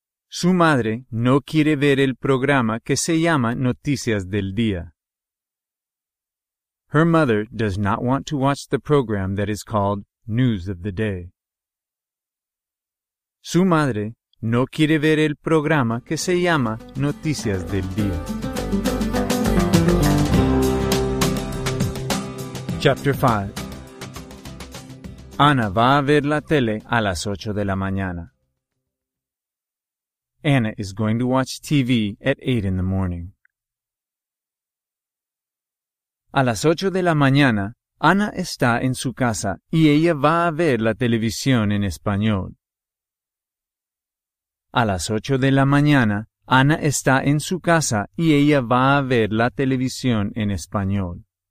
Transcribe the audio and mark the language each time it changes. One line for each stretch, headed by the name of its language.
Spanish: Su madre no quiere ver el programa que se llama Noticias del Día.
English: Her mother does not want to watch the program that is called News of the Day.
Spanish: Su madre no quiere ver el programa que se llama Noticias del Día.
English: Chapter 5.
Spanish: Anna va a ver la tele a las 8 de la mañana.
English: Anna is going to watch TV at 8 in the morning.
Spanish: A las 8 de la mañana, Anna está en su casa y ella va a ver la televisión en español. A las 8 de la mañana, Anna está en su casa y ella va a ver la televisión en español.